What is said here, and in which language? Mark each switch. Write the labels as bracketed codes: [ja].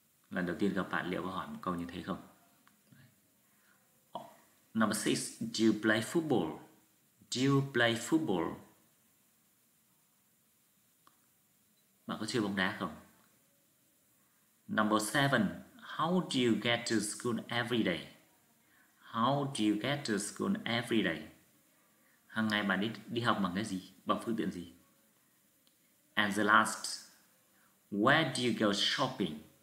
[vi] Lần đầu tiên gặp bạn liệu có hỏi một câu như thế không? [en] Number 6. Do you play football? Do you play football? [vi] Bạn có chơi bóng đá không? [en] Number 7. How do you get to school every day? How do you get to school every day? [vi] Hằng ngày bạn đi học bằng cái gì? Bằng phương tiện gì? [en] And the last, where do you go shopping?